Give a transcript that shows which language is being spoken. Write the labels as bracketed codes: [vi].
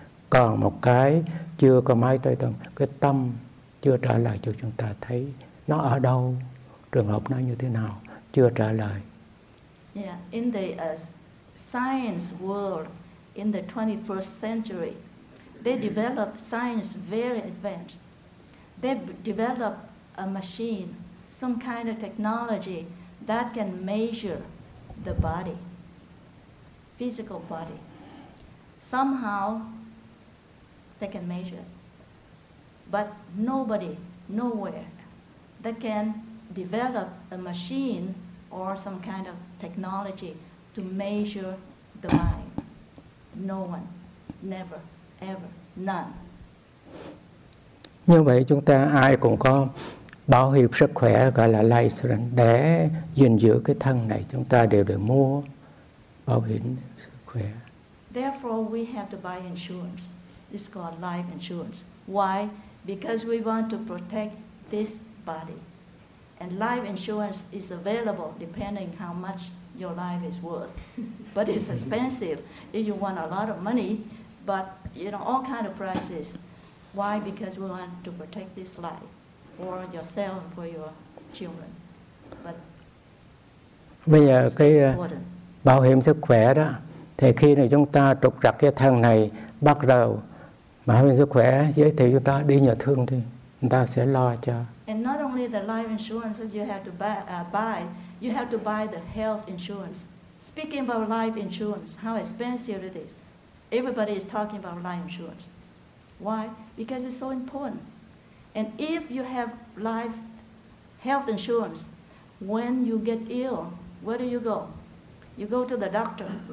[vi] Còn một cái chưa có máy tối tân, cái tâm chưa trả lời cho chúng ta thấy nó ở đâu, trường hợp nó như thế nào, chưa trả lời. [en] Yeah, in the science world, in the 21st century, they develop science very advanced. They develop a machine, some kind of technology that can measure the body, physical body. Somehow they can measure, but nobody, nowhere, that can develop a machine or some kind of technology to measure the mind. No one, never, ever, none. [vi] Như vậy chúng ta ai cũng có bảo hiểm sức khỏe gọi là life insurance để gìn giữ cái thân này, chúng ta đều được mua bảo hiểm sức khỏe. [en] Therefore, we have to buy insurance. It's called life insurance. Why? Because we want to protect this body. And life insurance is available depending how much your life is worth. But it's expensive if you want a lot of money, but you know, all kind of prices. Why? Because we want to protect this life for yourself and for your children. But [vi] bây giờ cái bảo hiểm sức khỏe đó, thì khi này chúng ta trục trặc cái thân này, bắt đầu bảo hiểm sức khỏe giới thiệu chúng ta đi nhờ thương đi, chúng ta sẽ lo cho. [en] And not only the life insurance that you have to buy, you have to buy the health insurance. Speaking about life insurance, how expensive it is. Everybody is talking about life insurance. Why? Because it's so important. And if you have life health insurance, when you get ill, where do you go? You go to the doctor.